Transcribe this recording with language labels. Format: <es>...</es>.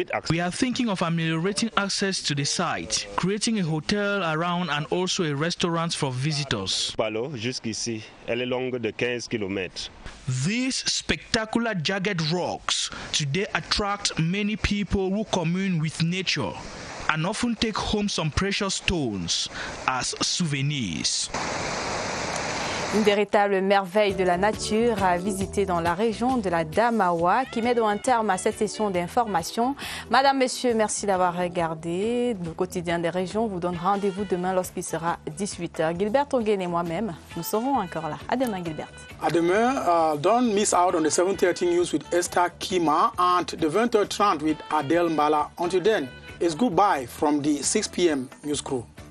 <en>We are thinking of ameliorating access to the site, creating a hotel around and also a restaurant for visitors.</en> <fr>Jusqu'ici, elle est longue de 15 km.</fr> <en>These spectacular jagged rocks today attract many people who commune with nature and often take home some precious stones as souvenirs.</en> <fr>Une véritable merveille de la nature à visiter dans la région de la Damawa qui met un terme à cette session d'information. Madame, Monsieur, merci d'avoir regardé le quotidien des régions. Vous donne rendez-vous demain lorsqu'il sera 18h. Gilbert Onguen et moi-même, nous serons encore là. À demain, Gilbert. À demain.</fr> <en>Don't miss out on the 7:30 news with Esther Kima and the 20:30 with Adele Mbala. Until then, it's goodbye from the 6 p.m. news crew.</en>